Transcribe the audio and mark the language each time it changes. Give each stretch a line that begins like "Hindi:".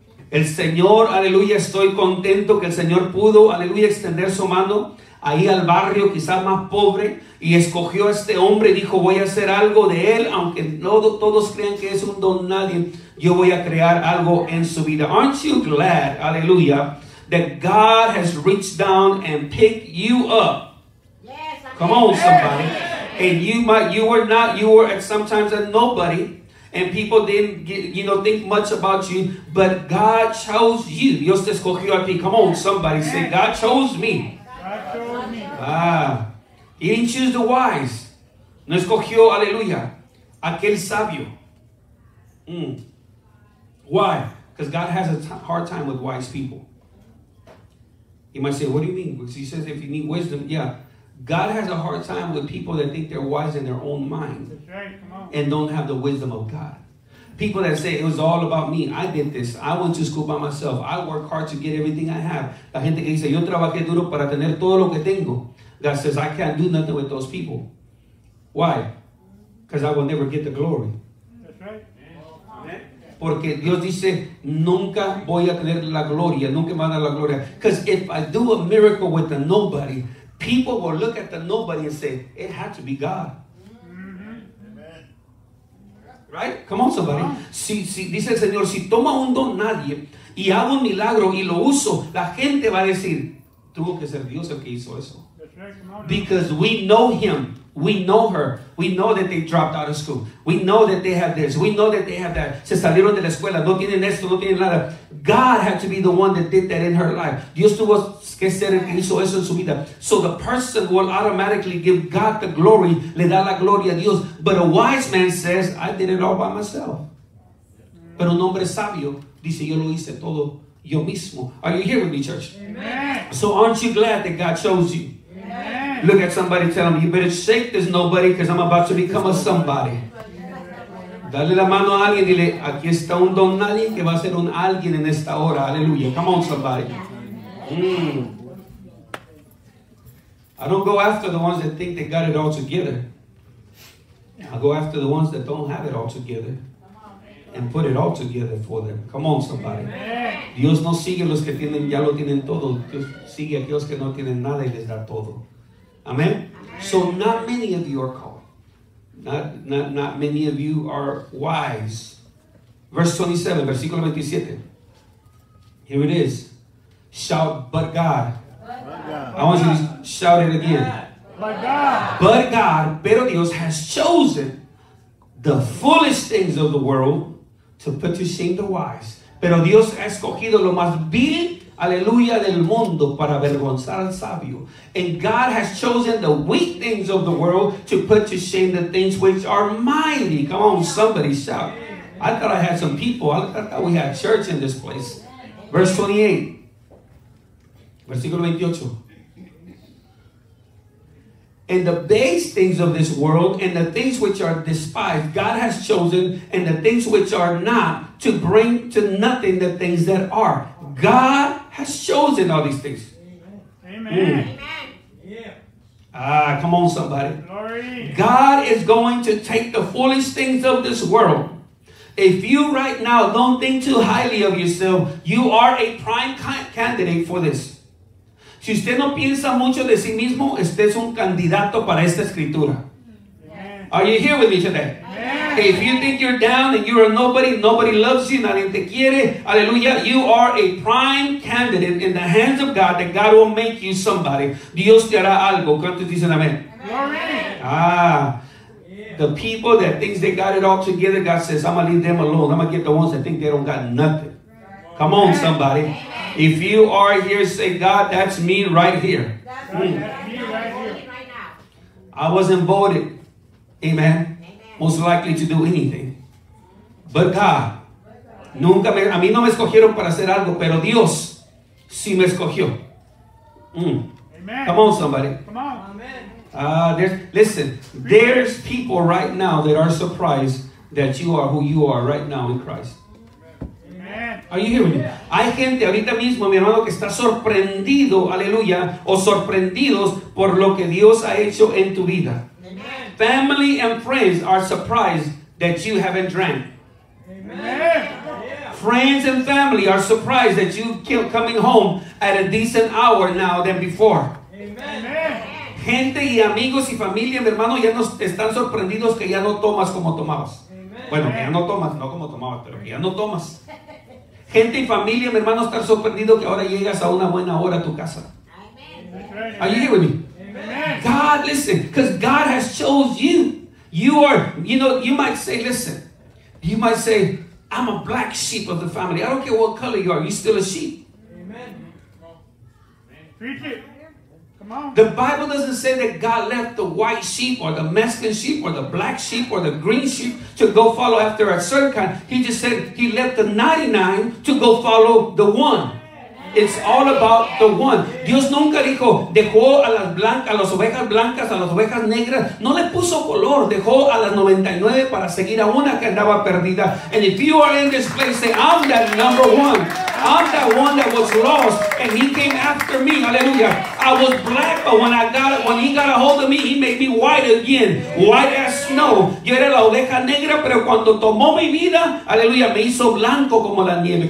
Spanish: El Señor, aleluya, estoy contento que el Señor pudo, aleluya, extender su mano ahí al barrio quizás más pobre y escogió a este hombre y dijo, voy a hacer algo de él, aunque todos crean que es un don nadie, yo voy a crear algo en su vida.
English: Aren't you glad, aleluya, that God has reached down and picked you up? Yes, come on, somebody. And you were at sometimes a nobody, and people didn't get, you know, think much about you, but God chose you.
Spanish: Dios te escogió a ti.
English: Come on, somebody, say, God chose me. Ah, he didn't choose the wise.
Spanish: No escogió, aleluya, aquel sabio.
English: Why? Because God has a hard time with wise people. You might say, what do you mean? Because he says if you need wisdom, yeah. God has a hard time with people that think they're wise in their own mind. That's right. Come on. And don't have the wisdom of God. People that say, it was all about me. I did this. I went to school by myself. I work hard to get everything I have.
Spanish: La gente que dice, yo trabajé duro para tener todo lo que tengo.
English: God says, I can't do nothing with those people. Why? Because I will never get the glory. That's right. Amen.
Spanish: Porque Dios dice, nunca voy a tener la gloria. Nunca van a la gloria.
English: Because if I do a miracle with a nobody, people will look at the nobody and say, it had to be God. Right? Come on, somebody.
Spanish: Si, dice el Señor, si toma un don nadie y hago un milagro y lo uso, la gente va a decir, tuvo que ser Dios el que hizo eso.
English: Because we know him. We know her. We know that they dropped out of school. We know that they have this. We know that they have that.
Spanish: Se salieron de la escuela. No tienen esto, no tienen nada.
English: God had to be the one that did that in her life.
Spanish: Dios tuvo que ser el que hizo eso en su vida.
English: So the person will automatically give God the glory.
Spanish: Le da la gloria a Dios.
English: But a wise man says, I did it all by myself.
Spanish: Pero un hombre sabio dice, yo lo hice todo yo mismo.
English: Are you here with me, church? Amen. So aren't you glad that God chose you? Look at somebody, tell them, you better shake this nobody because I'm about to become a somebody.
Spanish: Dale la mano a alguien y dile, aquí está un don nadie que va a ser un alguien en esta hora.
English: Aleluya. Come on, somebody. I don't go after the ones that think they got it all together. I go after the ones that don't have it all together and put it all together for them. Come on, somebody.
Spanish: Dios no sigue los que tienen, ya lo tienen todo. Dios sigue a aquellos que no tienen nada y les da todo.
English: Amen. So not many of you are called. Not many of you are wise. Verse 27, versículo 27. Here it is. Shout, but God. But God. I want you to shout it again. But God. But God,
Spanish: pero Dios,
English: has chosen the foolish things of the world to put to shame the wise.
Spanish: Pero Dios ha escogido lo más vil, aleluya, del mundo para avergonzar al sabio.
English: And God has chosen the weak things of the world to put to shame the things which are mighty. Come on, somebody shout. I thought I had some people. I thought we had church in this place. Verse 28. Versículo 28. And the base things of this world and the things which are despised, God has chosen, and the things which are not, to bring to nothing the things that are. God has chosen all these things. Amen. Amen. Ah, come on, somebody. Glory. God is going to take the foolish things of this world. If you right now don't think too highly of yourself, you are a prime candidate for this.
Spanish: Si usted no piensa mucho de sí mismo, usted es un candidato para esta escritura.
English: Yeah. Are you here with me today? Yeah. If you think you're down and you're a nobody, nobody loves you,
Spanish: nadie te quiere,
English: aleluya, you are a prime candidate in the hands of God, that God will make you somebody. Dios te hará algo.
Spanish: ¿Cuántos dicen amén?
English: Yeah. Ah, the people that think they got it all together, God says, I'm going to leave them alone. I'm going to get the ones that think they don't got nothing. Come on, somebody. If you are here, say, God, that's me right here. I wasn't voted, amen, most likely to do anything. But God,
Spanish: nunca me, a mí no me escogieron para hacer algo, pero Dios sí me escogió.
English: Amen. Come on, somebody. Come on. Listen, there's people right now that are surprised that you are who you are right now in Christ. Are you hearing me?
Spanish: Hay gente ahorita mismo, mi hermano, que está sorprendido, aleluya, o sorprendidos por lo que Dios ha hecho en tu vida.
English: Amen. Family and friends are surprised that you haven't drank. Amen. Friends and family are surprised that you keep coming home at a decent hour now than before. Amen.
Spanish: Gente y amigos y familia, mi hermano, ya nos están sorprendidos que ya no tomas como tomabas.
English: Amen.
Spanish: Bueno, que ya no tomas, no como tomabas, pero que ya no tomas. Gente y familia, mi hermano, están sorprendidos que ahora llegas a una buena hora a tu casa.
English: Amen. Are you here with me? Amen. God, listen, because God has chose you. You are, you know, you might say, listen, you might say, I'm a black sheep of the family. I don't care what color you are, you're still a sheep. Amen. Preach it. Come on. The Bible doesn't say that God left the white sheep or the Mexican sheep or the black sheep or the green sheep to go follow after a certain kind. He just said he left the 99 to go follow the one. It's all about the one.
Spanish: Dios nunca dijo, dejó a las blancas, a las ovejas blancas, a las ovejas negras. No le puso color. Dejó a las 99 para seguir a una que andaba perdida.
English: And if you are in this place, say, I'm that number one. I'm that one that was lost. And he came after me. Hallelujah. I was black, but when he got a hold of me, he made me white again. White as snow.
Spanish: Yo era la oveja negra, pero cuando tomó mi vida, aleluya, me hizo blanco como la nieve.